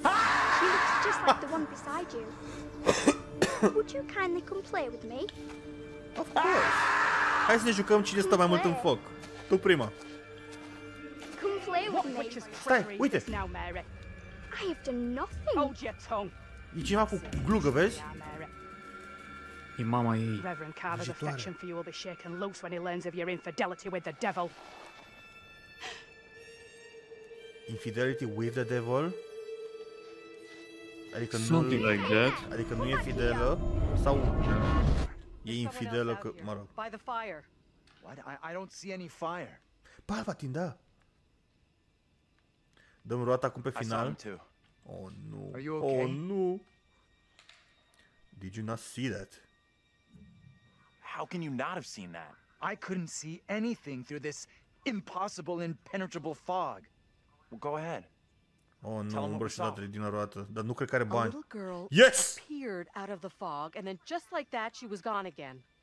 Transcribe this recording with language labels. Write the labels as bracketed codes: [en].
[en] She looks just like the one beside you. Would you kindly come play with me? Of course. [ro] Hai să ne jucăm cine stă mai mult în foc. Tu prima. [en] Come play with me. [ro] Stai, uite. [en] I have done nothing. Hold your tongue. [ro] E cineva cu glugă, vezi? E mama ei. [en] Reverend Carver's affection for you will be shaken loose when he learns of your infidelity with the devil. Infidelity with the devil? Adică something [ro] nu, [en] like that. [ro] Adică nu e fidelă sau e infidelă că, mă rog. [en] By the fire. What? I don't see any fire. [ro] Palpatine, da. Dăm roata acum pe final. Oh nu. [en] Are you okay? [ro] Oh nu. [en] Did you not see that? How can you not have seen that? I couldn't see anything through this impossible impenetrable fog. Well, go ahead. Oh no, [ro] umbrășitate din roată, dar nu cred că are bani. [en] A little girl appeared out of the fog and then just like that she was gone again.